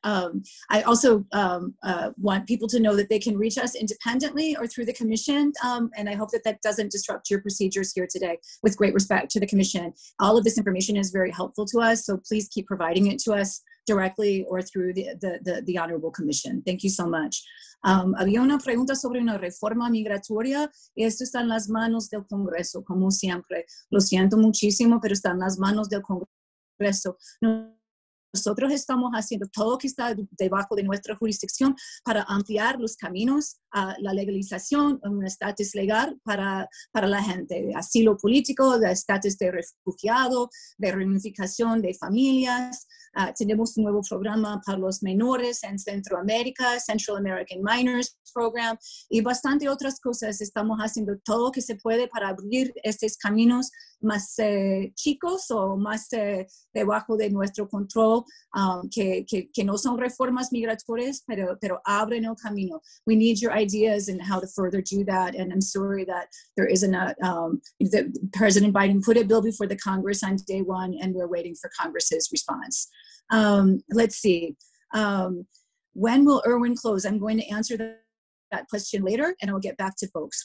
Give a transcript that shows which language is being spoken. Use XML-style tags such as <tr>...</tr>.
<en>I also want people to know that they can reach us independently or through the commission, and I hope that that doesn't disrupt your procedures here today. With great respect to the commission, all of this information is very helpful to us, so please keep providing it to us directly or through the Honorable Commission. Thank you so much.</en> <es>Había una pregunta sobre una reforma migratoria y esto está en las manos del Congreso, como siempre. Lo siento muchísimo, pero está en las manos del Congreso. Nosotros estamos haciendo todo lo que está debajo de nuestra jurisdicción para ampliar los caminos a la legalización, un estatus legal para la gente, de asilo político, de estatus de refugiado, de reunificación de familias. Tenemos un nuevo programa para los menores en Centroamérica, Central American Minors Program, y bastante otras cosas. Estamos haciendo todo lo que se puede para abrir estos caminos más chicos o más debajo de nuestro control, que no son reformas migratorias, pero abren el camino.</es> <en>We need your ideas and how to further do that, and I'm sorry that there isn't a, that President Biden put a bill before the Congress on day one, and we're waiting for Congress's response. Let's see. When will Irwin close? I'm going to answer that question later, and I'll get back to folks.</en>